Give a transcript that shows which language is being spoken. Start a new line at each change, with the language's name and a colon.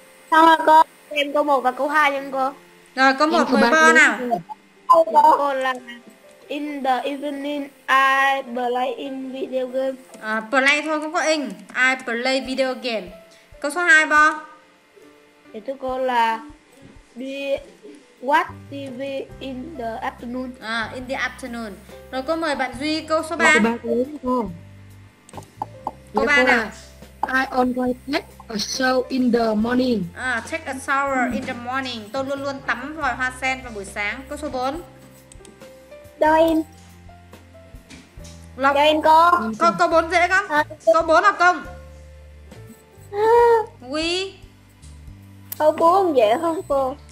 Vietnamese: Xong rồi cô, em câu 1 và câu 2 nha cô. Rồi, câu 1 với Bo nào. Câu 1 là
English: in the evening I play in video game.
Vietnamese: À, play thôi cũng có in.
English: I play video game.
Vietnamese: Câu số 2 Bo. Thì tôi cô là đi
English: watch TV in the afternoon.
Vietnamese: À,
English: in the afternoon.
Vietnamese: Rồi cô mời bạn Duy câu số 3. Câu 3 của em cô. Câu 3 nào.
English: I always take a shower in the morning. À, take a shower in the morning.
Vietnamese: Tôi luôn luôn tắm vòi hoa sen vào buổi sáng. Câu số 4. Đâu em? Lọc. Đâu em cô? Con câu 4 dễ không? À, câu 4 là công. Quy. Câu 4 dễ không cô?